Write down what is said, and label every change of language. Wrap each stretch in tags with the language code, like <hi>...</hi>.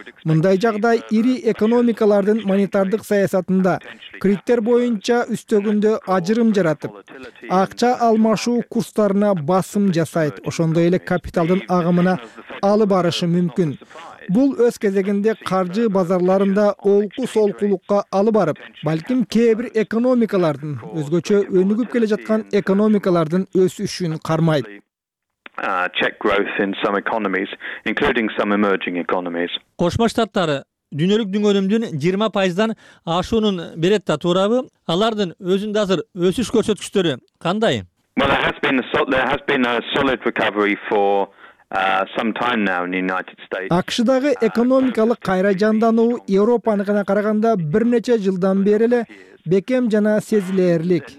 <ky>Мындай жагдай ири экономикалардын монетардык саясатында кредиттер боюнча үстөгүндө ажырым жаратып, акча алмашуу курстарына басым жасайт. Ошондой эле капиталдын агымына алып барышы мүмкүн. Бул өз кезегинде каржы базарларында олку-солкулукка алып барып, балким кээ бир экономикалардын, өзгөчө өнүгүп келе жаткан экономикалардын өсүшүн кармайт.</ky> <en>Check growth in some economies, including some emerging economies.</en> <ky>Кошмо Штаттар дүйнөлүк дүңөрүмдүн 20%дан ашуунун берет да, туурабы? Алардын өзүндө азыр өсүш көрсөткүчтөрү кандай? АКШдагы экономикалык кайра жандануу Европаныкына караганда бир нече жылдан бери эле бекем жана сезилэрлик.</ky>